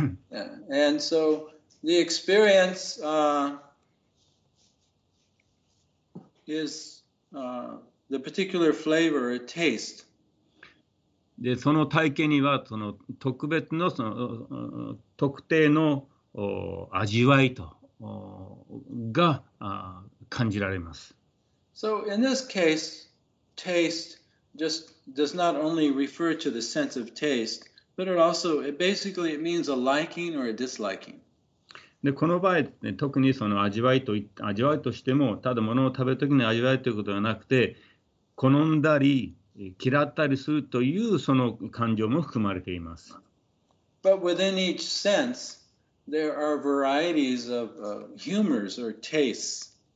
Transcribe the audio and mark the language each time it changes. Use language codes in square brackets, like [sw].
[en] Yeah. And so the experience is the particular flavor or taste. [ja] で、その体験にはその特別のその特定の味わいとが感じられます。 [en] So in this case, taste just does not only refer to the sense of taste, but it also, it basically it means a liking or a disliking. [ja] で、この場合、ね、特にその味わいと、味わいとしても、ただ物を食べるときに味わいということはなくて、好んだり、嫌ったりするというその感情も含まれています。 [en] But within each sense there are varieties of humors or tastes。